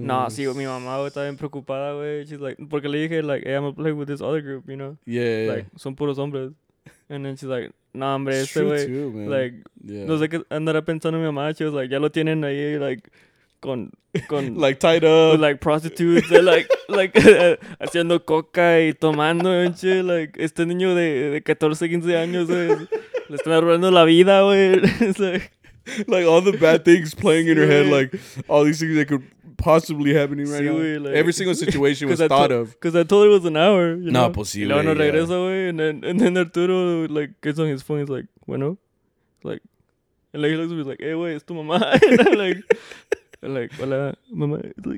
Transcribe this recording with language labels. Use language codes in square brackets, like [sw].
[es] Nah, sí, mi mamá estaba bien preocupada, güey. [en] She's like, [es] porque le dije, [en] like, hey, I'm gonna play with this other group, you know? Yeah. Like, yeah. [es] Son puros hombres. [en] And then she's like, nah, hombre, it's este way. Too, man. Like, yeah. [es] No sé qué andará pensando mi mamá. [en] She was like, [es] ya lo tienen ahí, like, con [en] like, tied up. With, like, prostitutes. They're like, [es] haciendo coca y tomando, [en] and shit. [es] Like, este niño de 14, 15 años, le están arruinando la vida, güey. [en] It's like, all the bad things playing in her head, like, all these things that could possibly happen right now. Wey, like, every single situation was thought of. Because I told it was an hour. You nah, know? [es] Pues sí, y luego no regresa, güey. [en] And then Arturo, like, gets on his phone. He's like, bueno. Like, and like, he looks at me, he's like, hey, güey, [es] es tu mamá. [en] And I'm like, [es] hola, mamá.